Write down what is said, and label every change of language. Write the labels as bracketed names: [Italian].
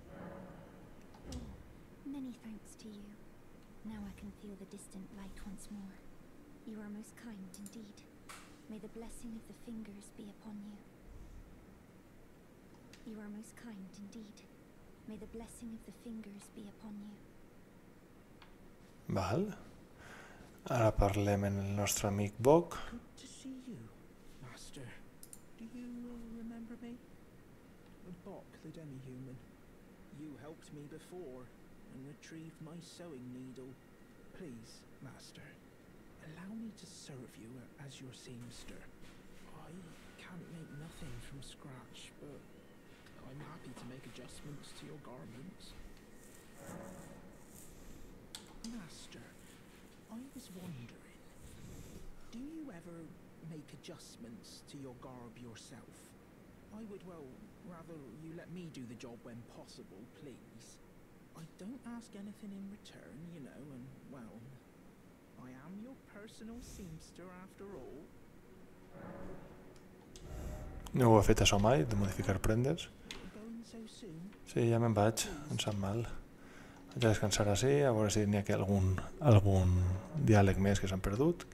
[English] Oh, many thanks to you. Now I can feel the distant light once more. You are most kind indeed. May the blessing of the fingers be upon you. You are most kind indeed. May the blessing of the fingers be upon you. Val. [Catalan] Ara parlem amb el nostre amic Bok. [English] Good to see you, Master. Do you remember me? Bok, the demi-human. You helped me before and retrieved my sewing needle. Please, Master, allow me to serve you as your seamster. I can't make nothing from scratch, but I'm happy to make adjustments to your garments. Master, I was wondering, do you ever make adjustments to your garb yourself? I would, well, rather you let me do the job when possible, please. I don't ask anything in return, you know, and, well, I am your personal seamster after all. [Catalan] No ho he fet això mai, de modificar prendes. [English] So soon? [Catalan] Sí, ja me'n vaig, em sap mal. Vaig a descansar ací, a veure si n'hi ha algun diàleg més que s'han perdut.